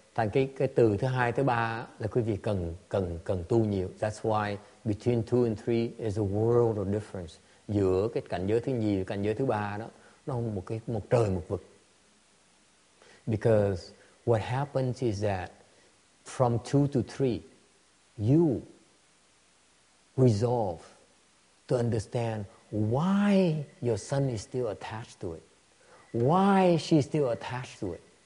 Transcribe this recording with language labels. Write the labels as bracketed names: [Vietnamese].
[Vietnamese] Thành cái từ thứ hai, thứ ba là quý vị cần tu nhiều. [English] That's why between two and three is a world of difference. [Vietnamese] Giữa cái cảnh giới thứ nhì và cảnh giới thứ ba đó, nó một trời một vực. [English] Because what happens is that from two to three, you resolve to understand why your son is still attached to it, why she's still attached to it.